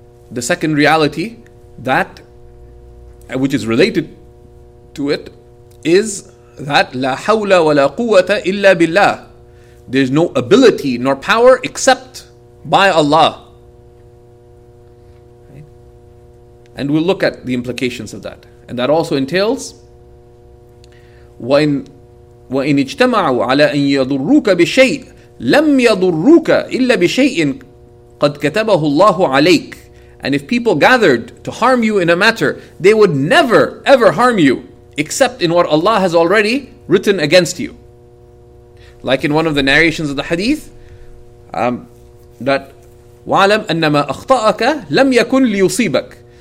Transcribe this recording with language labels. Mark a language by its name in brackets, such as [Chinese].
[English] The second reality, that which is related to it, is that [Arabic] لا حول ولا قوة إلا بالله. [English] There is no ability nor power except by Allah. And we'll look at the implications of that. And that also entails [Arabic] وَإِنْ اجْتَمَعُوا عَلَىٰ أَنْ يَضُرُّوكَ بِشَيْءٍ لَمْ يَضُرُّوكَ إِلَّا بِشَيْءٍ قَدْ كَتَبَهُ اللَّهُ عَلَيْكَ. [English] And if people gathered to harm you in a matter, they would never ever harm you except in what Allah has already written against you. Like in one of the narrations of the hadith, that [Arabic] وَعَلَمْ أَنَّمَا أَخْطَأَكَ لَمْ يَكُنْ لِيُصِيبَكَ.